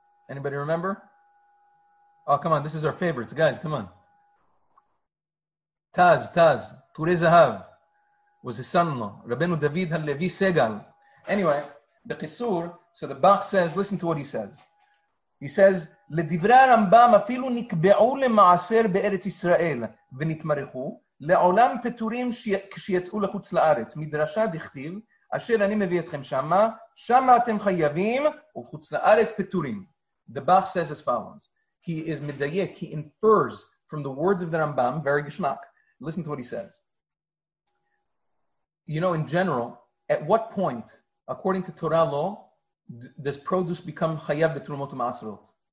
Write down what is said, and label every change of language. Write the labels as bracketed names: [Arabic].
[English] Anybody remember? Oh, come on, this is our favorites. Guys, come on. Taz, Ture Zahav was his son-in-law, Rabbeinu David HaLevi Segal. Anyway, the Qisur, so the Bach says, listen to what he says. [Hebrew] He says, לדברי הרמב״ם אפילו נקבעו למעשר בארץ ישראל ונתמרחו, לעולם פטורים כשיצאו לחוץ לארץ. מדרשה דכתיב, אשר אני מביא אתכם שמה, שמה אתם חייבים וחוץ לארץ פטורים. [English] The Bach says as follows. He is medayek, he infers from the words of the Rambam, very gishmak. Listen to what he says. You know, in general, at what point, according to Torah law, does produce become [Hebrew] chayav b'terumot ma'asrot?